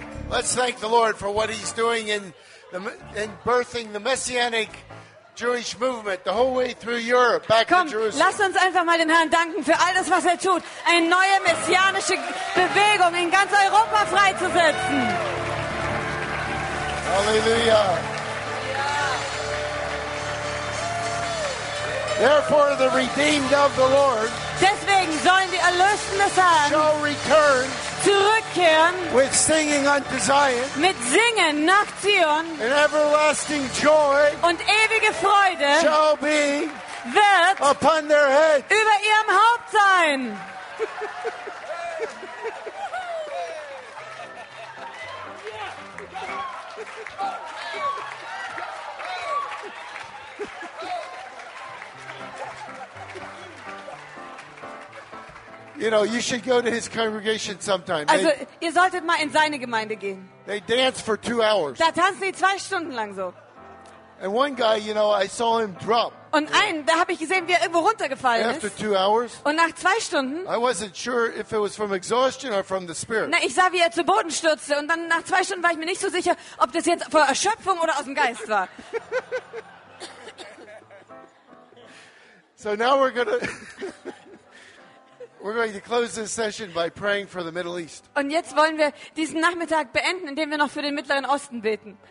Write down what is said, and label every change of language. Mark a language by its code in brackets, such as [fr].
[en] Let's thank the Lord for what he's doing in birthing the Messianic Jewish movement the whole way through Europe back [de] Komm, [en] to Jerusalem. [de] Lasst uns einfach mal den Herrn danken für all das, was er tut, eine neue messianische Bewegung in ganz Europa freizusetzen. Halleluja. [en] Therefore the redeemed of the Lord [de] Deswegen sollen die Erlösten des Herrn [en] shall return [de] zurückkehren [en] with singing unto Zion [de] mit singen nach Zion [en] and everlasting joy [de] und ewige Freude [en] shall be [de] wird [en] upon their heads [de] über ihrem Haupt sein. [en] You know, you should go to his congregation sometime. [de] Also, ihr solltet mal in seine Gemeinde gehen. [en] They dance for 2 hours. [de] Da tanzen die 2 Stunden lang so. [en] And one guy, you know, I saw him drop. [de] Und einen, da habe ich gesehen, wie er irgendwo runtergefallen [en] After [de] ist. [en] 2 hours. [de] Und nach 2 Stunden. [en] I wasn't sure if it was from exhaustion or from the spirit. [de] Na, ich sah, wie er zu Boden stürzte. Und dann nach 2 Stunden war ich mir nicht so sicher, ob das jetzt vor Erschöpfung oder aus dem Geist war. [en] So now we're gonna. We're going to close this session by praying for the Middle East. [de] Und jetzt wollen wir diesen Nachmittag beenden, indem wir noch für den Mittleren Osten beten.